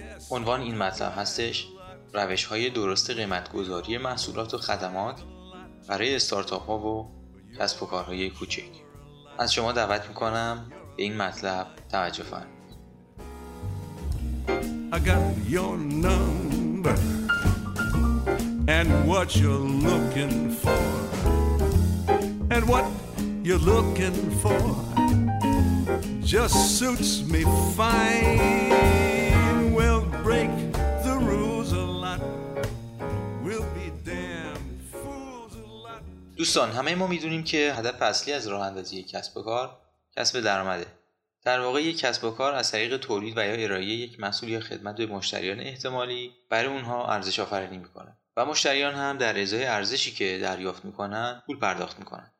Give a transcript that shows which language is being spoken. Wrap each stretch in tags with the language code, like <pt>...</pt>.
<fa>عنوان این مطلب هستش: روش‌های درست قیمت‌گذاری محصولات و خدمات برای استارتاپ‌ها و کسب و کارهای کوچک. از شما دعوت می‌کنم به این مطلب توجه فرمایید.</fa> <en>I got your number and what you're looking for. And what you're looking for just suits me fine. We'll break the rules a lot. We'll be damn fools a lot.</en> <fa>دوستان، همه ما میدونیم که هدف اصلی از راه اندازی کسب و کار کسب درآمده. در واقع یک کسب و کار از طریق تولید و یا ارائه یک محصول یا خدمت به مشتریان احتمالی برای اونها ارزش آفرینی میکنه و مشتریان هم در ازای ارزشی که دریافت میکنن پول پرداخت میکنن.</fa>